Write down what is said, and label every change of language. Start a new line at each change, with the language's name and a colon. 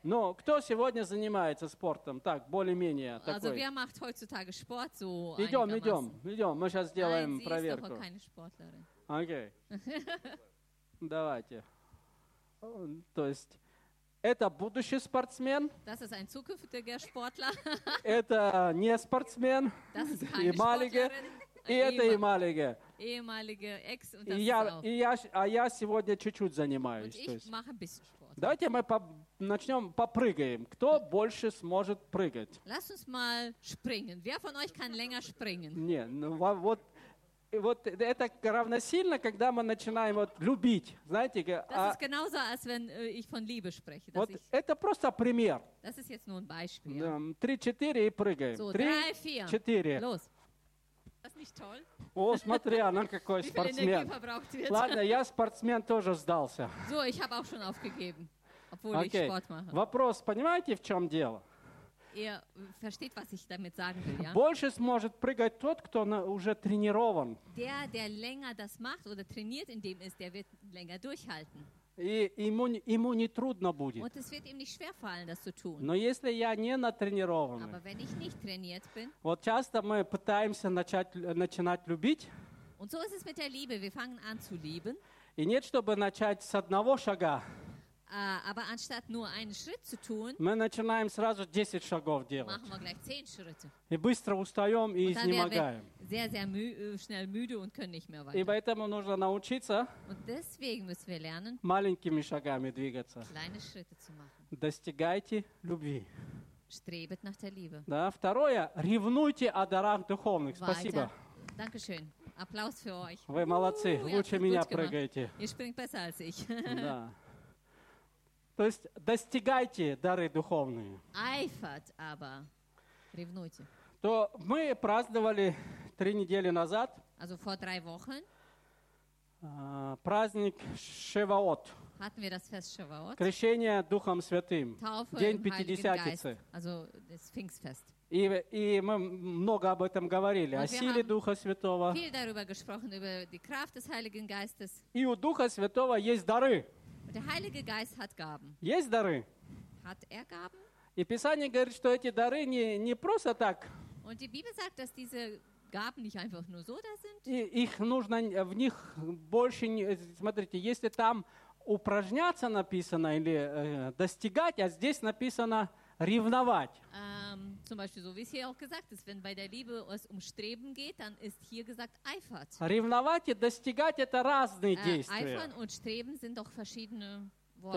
Russian: Ну, кто сегодня занимается спортом? Так, более-менее.
German: Also, wer macht heutzutage Sport so?
Russian: Идем. Мы сейчас сделаем проверку.
German: Nein, sie ist doch keine Sportlerin.
Russian: Окей. Давайте. То есть это будущий спортсмен.
German: Das ist ein zukünftiger Sportler.
Russian: Это не спортсмен.
German: Das ist keine Sportlerin.
Russian: И это
German: ehemalige. Ehemalige Ex.
Russian: Я сегодня чуть-чуть занимаюсь.
German: Und ich mache ein bisschen Sport.
Russian: Давайте мы начнем попрыгаем. Кто больше сможет прыгать?
German: Lass uns mal springen. Wer von euch kann länger springen?
Russian: Не, ну вот. И вот это равносильно, когда мы начинаем вот любить, знаете?
German: Das ist genauso, als wenn ich von Liebe spreche.
Russian: Вот это просто пример.
German: Das ist jetzt nur ein Beispiel.
Russian: Три-четыре и прыгаем. Три-четыре.
German: Los. Das ist nicht toll.
Russian: О, смотри, она какой спортсмен. Ладно, я спортсмен тоже сдался.
German: So, ich habe auch schon aufgegeben, obwohl ich Sport mache.
Russian: Вопрос, понимаете, в чем дело?
German: ihr versteht, was ich damit sagen will. Ja?
Russian: Больше сможет прыгать тот, кто уже тренирован.
German: Der länger das macht oder trainiert in dem ist, der wird länger durchhalten.
Russian: И ему не трудно будет.
German: Und es wird ihm nicht schwer fallen, das zu tun.
Russian: Но если я не натренирован,
German: aber wenn ich nicht trainiert bin,
Russian: вот часто мы пытаемся начинать любить.
German: Und so ist es mit der Liebe. Wir fangen an zu lieben.
Russian: И нет, чтобы начать с одного шага.
German: Aber anstatt nur einen Schritt zu tun,
Russian: мы начинаем сразу 10 шагов делать.
German: Machen wir gleich 10 Schritte.
Russian: И быстро устаем и изнемогаем.
German: Sehr schnell müde und können nicht mehr weiter.
Russian: И поэтому нужно научиться.
German: Und deswegen müssen wir lernen.
Russian: Маленькими шагами двигаться.
German: Kleine Schritte zu machen.
Russian: Достигайте любви.
German: Strebet nach der Liebe.
Russian: Да, второе, ревнуйте о дарах духовных. Спасибо.
German: Dankeschön. Applaus für euch.
Russian: Вы молодцы, лучше меня прыгаете.
German: Ihr springt besser als ich.
Russian: Да. То есть достигайте дары духовные.
German: Eifert aber.
Russian: Ревнуйте. То мы праздновали 3 недели назад.
German: Also vor 3 Wochen.
Russian: Праздник Шаваот.
German: Hatten wir das Fest Шаваот?
Russian: Крещение Духом Святым.
German: Taufe
Russian: День Пятидесятницы.
German: Also das Pfingstfest.
Russian: И мы много об этом говорили,
German: und
Russian: о силе Духа Святого.
German: Viel darüber gesprochen, über die Kraft des Heiligen Geistes.
Russian: И у Духа Святого есть дары.
German: Und der Heilige Geist hat Gaben.
Russian: Есть дары.
German: Hat er Gaben?
Russian: И Писание говорит, что эти дары не просто так.
German: Und die Bibel sagt, dass diese Gaben nicht einfach nur so da sind.
Russian: И их нужно в них больше, смотрите, если там упражняться написано или достигать, а здесь написано ревновать.
German: Zum Beispiel so, wie es hier auch gesagt ist, wenn bei der Liebe es um Streben geht, dann ist hier gesagt eifert.
Russian: Ревновать и достигать – это разные действия.
German: Eifern und streben sind doch verschiedene Worte.